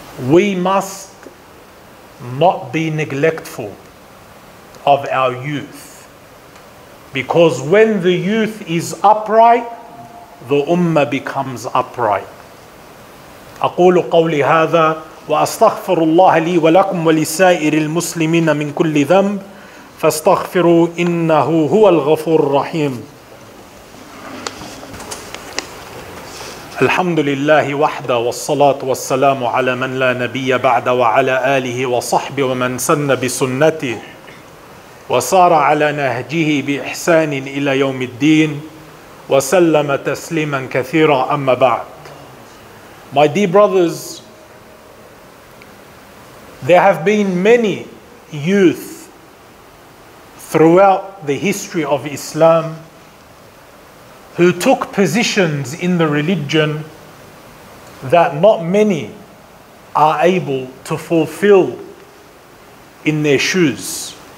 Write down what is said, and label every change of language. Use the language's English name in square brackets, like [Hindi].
[English] We must not be neglectful of our youth. Because when the youth is upright, the ummah becomes upright. [Arabic] أقول قولي هذا وأستغفر الله لي ولكم ولسائر المسلمين من كل ذنب فاستغفروا إنه هو الغفور الرحيم. الحمد لله وحده والصلاة والسلام على من لا نبي بعد وعلى آله وصحبه ومن سن بسنته وصار على نهجه بإحسان إلى يوم الدين وسلم تسليما كثيرا أما بعد. [English] My dear brothers, there have been many youth throughout the history of Islam who took positions in the religion that not many are able to fulfill in their shoes.